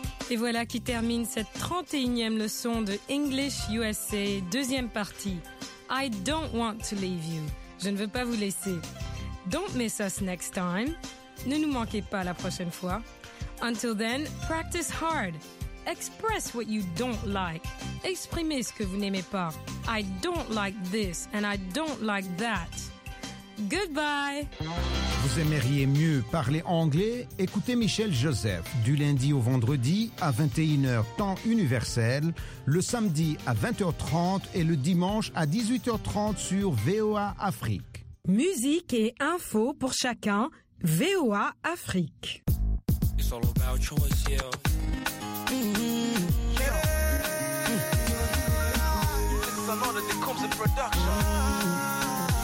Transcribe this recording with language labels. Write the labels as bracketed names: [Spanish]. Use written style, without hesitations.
[French] Et voilà qui termine cette 31e leçon de English USA, deuxième partie. [English] I don't want to leave you. [French] Je ne veux pas vous laisser. [English] Don't miss us next time. [French] Ne nous manquez pas la prochaine fois. [English] Until then, practice hard. Express what you don't like. [French] Exprimez ce que vous n'aimez pas. [English] I don't like this and I don't like that. Goodbye. [French] Vous aimeriez mieux parler anglais? Écoutez Michel Joseph du lundi au vendredi à 21h temps universel, le samedi à 20h30 et le dimanche à 18h30 sur VOA Afrique. Musique et info pour chacun, VOA Afrique. [English] It's all about choice, yeah. Mm-hmm. Yeah. It's a lot of the comes in production.